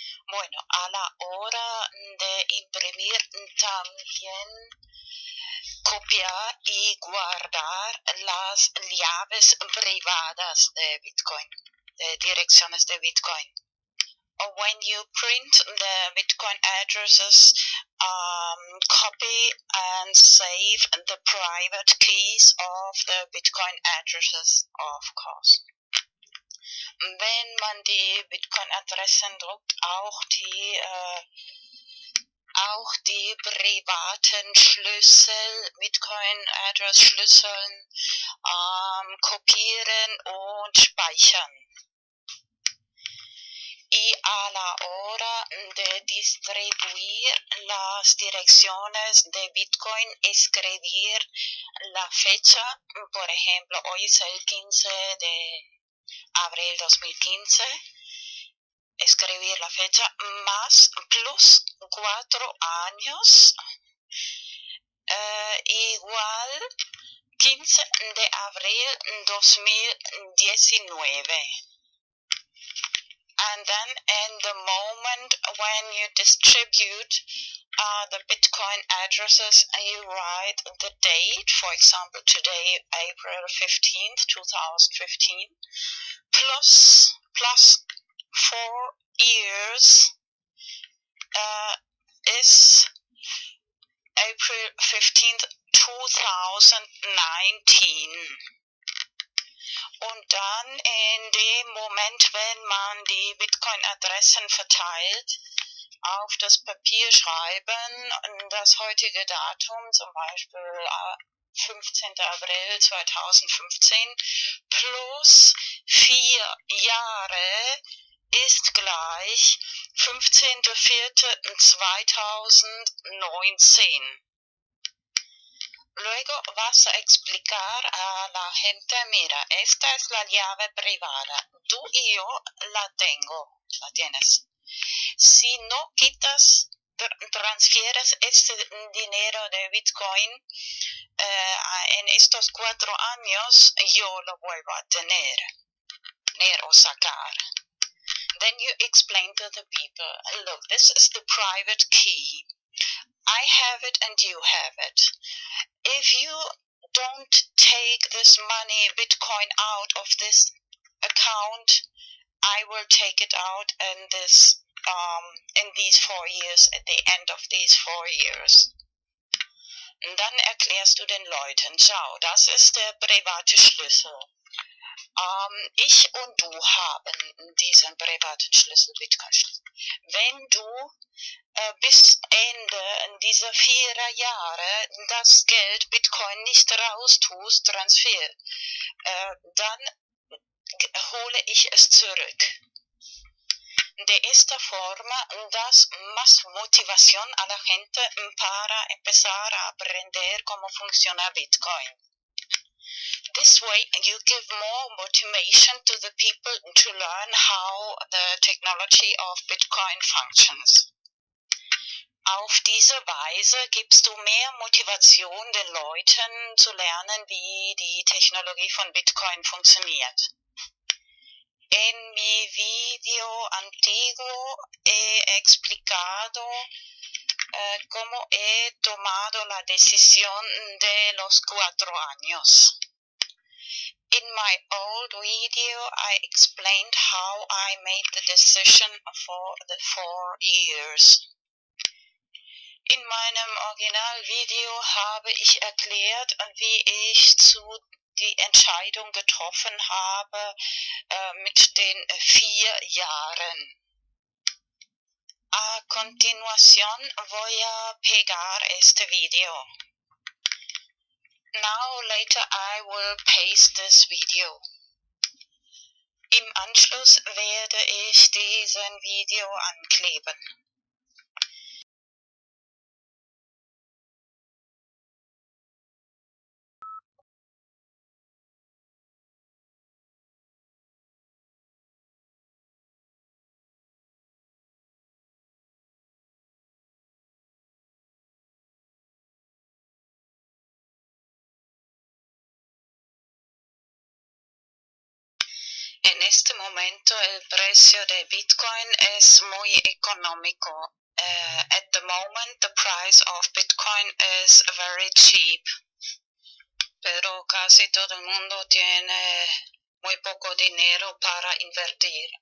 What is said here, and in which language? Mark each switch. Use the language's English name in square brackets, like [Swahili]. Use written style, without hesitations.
[Spanish] Bueno, a la hora de imprimir también copiar y guardar las llaves privadas de Bitcoin, de direcciones de Bitcoin. [English] Or when you print the Bitcoin addresses, copy and save the private keys of the Bitcoin addresses, of course. [German] Wenn man die Bitcoin-Adressen druckt, auch die privaten Schlüssel, Bitcoin-Address-Schlüsseln, kopieren und speichern. [Spanish] Y a la hora de distribuir las direcciones de Bitcoin, escribir la fecha, por ejemplo, hoy es el 15 de abril 2015, escribir la fecha más plus 4 años, igual 15 de abril 2019. [English] And then in the moment when you distribute the Bitcoin addresses, you write the date, for example, today, April 15th, 2015, plus 4 years, is April 15th, 2019. [German] Und dann in dem Moment, wenn man die Bitcoin-Adressen verteilt, auf das Papier schreiben, das heutige Datum, zum Beispiel 15. April 2015, plus 4 Jahre ist gleich 15.04.2019. [Spanish] Luego vas a explicar a la gente, mira, esta es la llave privada. Tú y yo la tengo, la tienes. Si no quitas, transfieres este dinero de Bitcoin en estos 4 años, yo lo vuelvo a tener o sacar. [English] Then you explain to the people, look, this is the private key. I have it and you have it. If you don't take this money, Bitcoin, out of this account, I will take it out in this in these 4 years, at the end of these 4 years. [German] Und dann erklärst du den Leuten, schau, das ist der private Schlüssel. Ich und du haben diesen privaten Schlüssel, Bitcoin-Schlüssel. Wenn du bis Ende dieser 4 Jahre das Geld Bitcoin nicht raustust, Transfer, dann hole ich es zurück. [Spanish] De esta forma das más motivación a la gente para empezar a aprender cómo funciona Bitcoin. [English] This way you give more motivation to the people to learn how the technology of Bitcoin functions. [German] Auf diese Weise gibst du mehr Motivation den Leuten zu lernen, wie die Technologie von Bitcoin funktioniert. [Spanish] En mi video antiguo he explicado cómo he tomado la decisión de los 4 años. [English] In my old video, I explained how I made the decision for the 4 years. [German] In meinem Originalvideo habe ich erklärt, wie ich zu die Entscheidung getroffen habe mit den 4 Jahren. [Spanish] A continuación voy a pegar este video. [English] Now later I will paste this video. [German] Im Anschluss werde ich diesen Video ankleben. [Spanish] En este momento el precio de Bitcoin es muy económico. [English] At the moment the price of Bitcoin is very cheap. [Spanish] Pero casi todo el mundo tiene muy poco dinero para invertir.